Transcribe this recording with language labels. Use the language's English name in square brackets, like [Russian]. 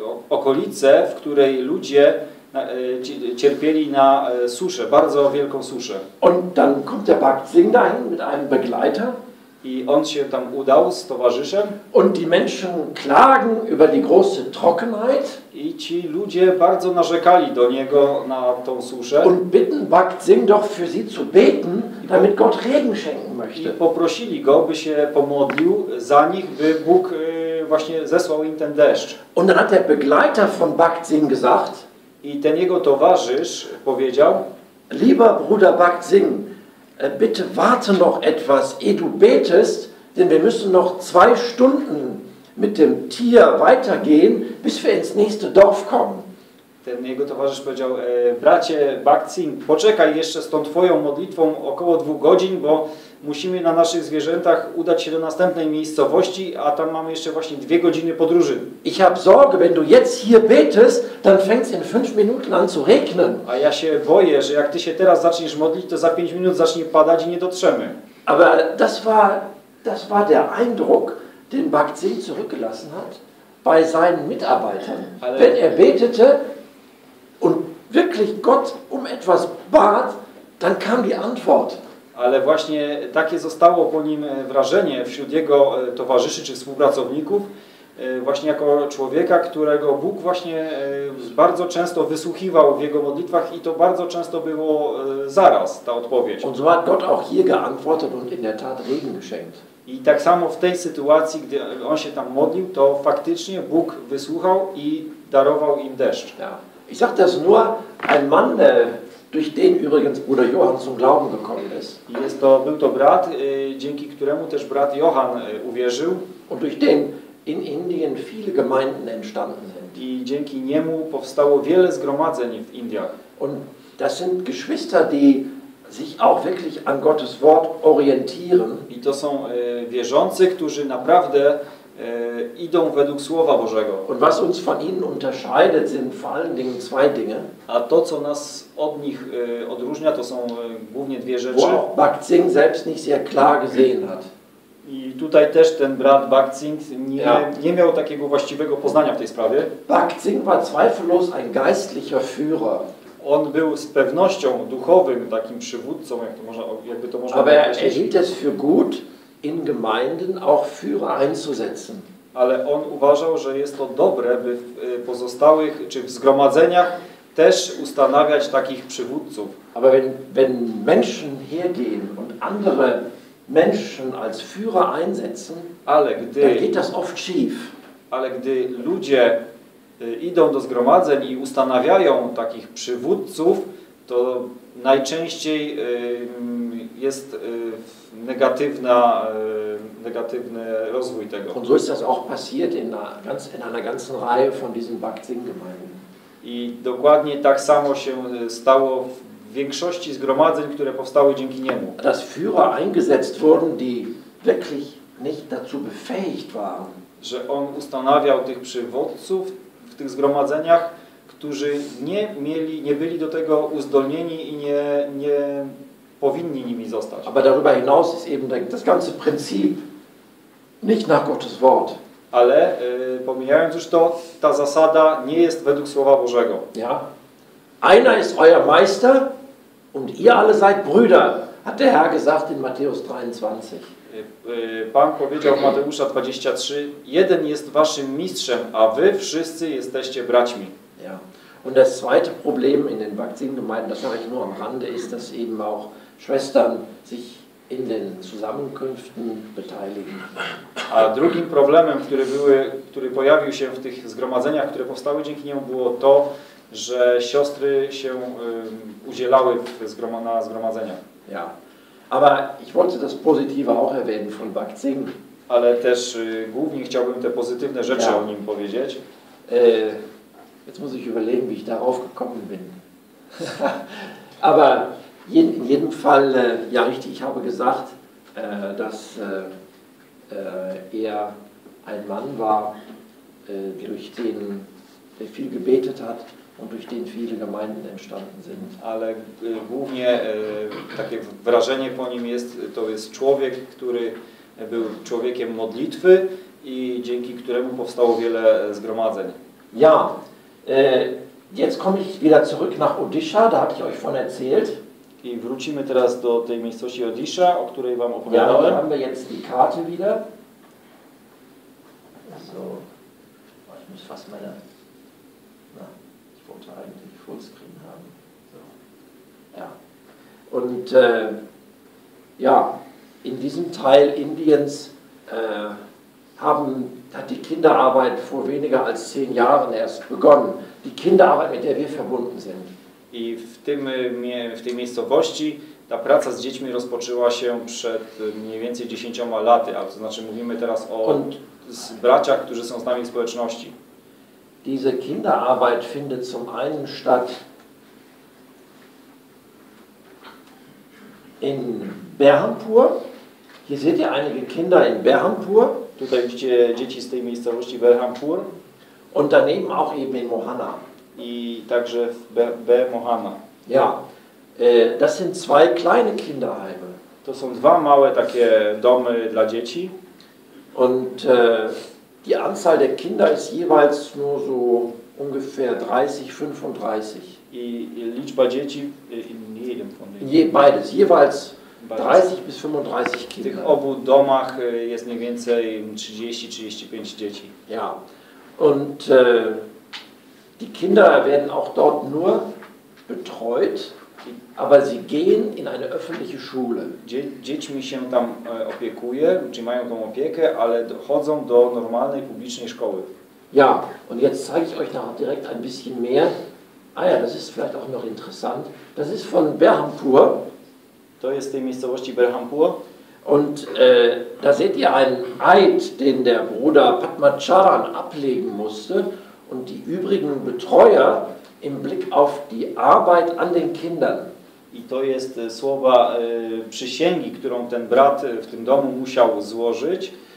[Polish] Okolice, w której ludzie cierpieli na suszę, bardzo wielką suszę. [German] Und dann kommt der Bakt Singh dahin mit einem Begleiter. [Polish] I on się tam udał z towarzyszem. [German] Und die Menschen klagen über die große Trockenheit. [Polish] I ci ludzie bardzo narzekali do niego na tą suszę. [German] Und bitten Bakt Singh doch für sie zu beten, damit Gott Regen schenken möchte. [Polish] I poprosili go, by się pomodlił za nich, by Bóg właśnie zesłał im ten deszcz. [German] Und dann hat der Begleiter von Bakt Singh gesagt. [Polish] I ten jego towarzysz powiedział: [German] Lieber Bruder Bakt Singh, bitte warte noch etwas, ehe du betest, denn wir müssen noch zwei Stunden mit dem Tier weitergehen, bis wir ins nächste Dorf kommen. [Polish] Ten jego towarzysz powiedział: Bracie Bakt Singh, poczekaj jeszcze z tą twoją modlitwą około 2 godzin, bo musimy na naszych zwierzętach udać się do następnej miejscowości, a tam mamy jeszcze właśnie 2 godziny podróży. [German] Ich hab Sorge, wenn du jetzt hier betest, dann fängt's in 5 Minuten an zu regnen. [Polish] A ja się boję, że jak ty się teraz zaczniesz modlić, to za 5 minut zacznie padać i nie dotrzemy. [German] Aber das war der Eindruck, den Bakt Singh zurückgelassen hat bei seinen Mitarbeitern. Ale wenn er betete und wirklich Gott um etwas bat, dann kam die Antwort. [Polish] Ale właśnie takie zostało po nim wrażenie wśród jego towarzyszy czy współpracowników, właśnie jako człowieka, którego Bóg właśnie bardzo często wysłuchiwał w jego modlitwach i to bardzo często było zaraz ta odpowiedź. [German] Und so hat Gott auch hier geantwortet und in der Tat Regen geschenkt. [Polish] I tak samo w tej sytuacji, gdy on się tam modlił, to faktycznie Bóg wysłuchał i darował im deszcz. [German] Ja. Ich sag das nur, ein Mann, durch den übrigens Bruder Johann zum Glauben gekommen ist. [Polish] Był to brat, dzięki któremu też brat Johann uwierzył. [German] Und durch den in Indien viele Gemeinden entstanden sind. [Polish] I dzięki niemu powstało wiele zgromadzeń w Indiach. [German] Und das sind Geschwister, die sich auch wirklich an Gottes Wort orientieren. [Polish] I to są wierzący, którzy naprawdę idą według Słowa Bożego. [German] Und was uns von ihnen unterscheidet, sind vor allen Dingen 2 Dinge. [Polish] A to, co nas od nich odróżnia, to są głównie 2 rzeczy. [German] Wo auch Bakt Singh selbst nicht sehr klar gesehen hat. [Polish] I tutaj też ten brat Bakt Singh nie miał takiego właściwego poznania w tej sprawie. [German] Bakt Singh war zweifellos ein geistlicher Führer. [Polish] On był z pewnością duchowym takim przywódcą, jakby to można aber określić. [German] Er hielt es für gut, in Gemeinden auch Führer einzusetzen. [Polish] Ale on uważał, że jest to dobre, by w pozostałych czy w zgromadzeniach też ustanawiać takich przywódców. [German] Aber wenn Menschen hergehen und andere Menschen als Führer einsetzen, dann geht das oft schief. [Polish] Ale gdy ludzie idą do zgromadzeń i ustanawiają takich przywódców, to najczęściej jest negatywny rozwój tego. [German] Und so ist das auch passiert in einer ganzen Reihe von diesen Baktien-Gemeinden. [Polish] I dokładnie tak samo się stało w większości zgromadzeń, które powstały dzięki niemu. [German] Dass Führer eingesetzt wurden, die wirklich nicht dazu befähigt waren. [Polish] Że on ustanawiał tych przywódców w tych zgromadzeniach, którzy nie byli do tego uzdolnieni i nie powinni nimi zostać. [German] Aber darüber hinaus ist eben das ganze Prinzip nicht nach Gottes Wort. [Polish] Ale pomijając już to, ta zasada nie jest według Słowa Bożego. [German] Ja. Einer ist euer Meister und ihr alle seid Brüder, hat der Herr gesagt in Matthäus 23. [Polish] Pan powiedział w Mateusza 23, jeden jest waszym mistrzem, a wy wszyscy jesteście braćmi. [German] Ja. Und das zweite Problem in den Baktiengemeinden, das sage ich nur am Rande, ist, dass eben auch Schwestern sich in den Zusammenkünften beteiligen. [Polish] A drugim problemem, który pojawił się w tych zgromadzeniach, które powstały dzięki niemu, było to, że siostry się udzielały na zgromadzeniach. [German] Ja. Aber ich wollte das Positive auch erwähnen von Baktien. [Polish] Ale też głównie chciałbym te pozytywne rzeczy ja. O nim powiedzieć. [German] Jetzt muss ich überlegen, wie ich darauf gekommen bin. Aber in jedem Fall, ja richtig, ich habe gesagt, dass er ein Mann war, durch den er viel gebetet hat und durch den viele Gemeinden entstanden sind. [Polish] Ale głównie takie wrażenie po nim jest, to jest człowiek, który był człowiekiem modlitwy i dzięki któremu powstało wiele zgromadzeń. [German] Ja. Jetzt komme ich wieder zurück nach Odisha, da habe ich euch von erzählt. I wrócimy teraz do tej miejscowości Odisha, o której wam opowiadałem. Ja, haben wir jetzt die Karte wieder. So. Ich muss fast meine... Na, ich wollte eigentlich Fullscreen haben. So. Ja. Und ja, in diesem Teil Indiens hat die Kinderarbeit vor weniger als 10 Jahren erst begonnen. Die Kinderarbeit, mit der wir verbunden sind. [Polish] I w tej miejscowości ta praca z dziećmi rozpoczęła się przed mniej więcej 10 laty, a to znaczy mówimy teraz o braciach, którzy są z nami w społeczności. [German] Diese Kinderarbeit findet zum einen statt in Berhampur. Hier seht ihr einige Kinder in Berhampur. [Polish] Tutaj widzicie dzieci z tej miejscowości Berhampur. [German] Und daneben auch eben in Mohana. [Polish] I także w Mohana. [German] Ja, das sind zwei kleine Kinderheime. [Polish] To są dwa małe takie domy dla dzieci. [German] Und die Anzahl der Kinder ist jeweils nur so ungefähr 30, 35. [Polish] I liczba dzieci [German] in jedem von denen. Beides, jeweils 30 bis 35 Kinder. [Polish] W tych obu domach jest mniej więcej 30-35 dzieci. [German] Ja. Und die Kinder werden auch dort nur betreut, aber sie gehen in eine öffentliche Schule. [Polish] Dziećmi się tam opiekuje, czy mają tą opiekę, ale chodzą do normalnej publicznej szkoły. [German] Ja, und jetzt zeige ich euch noch direkt ein bisschen mehr. Ah ja, das ist vielleicht auch noch interessant. Das ist von Berhampur. [Polish] To jest tej miejscowości Berhampur. [German] Und da seht ihr einen Eid, den der Bruder Padmacharan ablegen musste und die übrigen Betreuer im Blick auf die Arbeit an den Kindern. [Polish] I to jest słowa przysięgi, którą ten brat w tym domu musiał złożyć.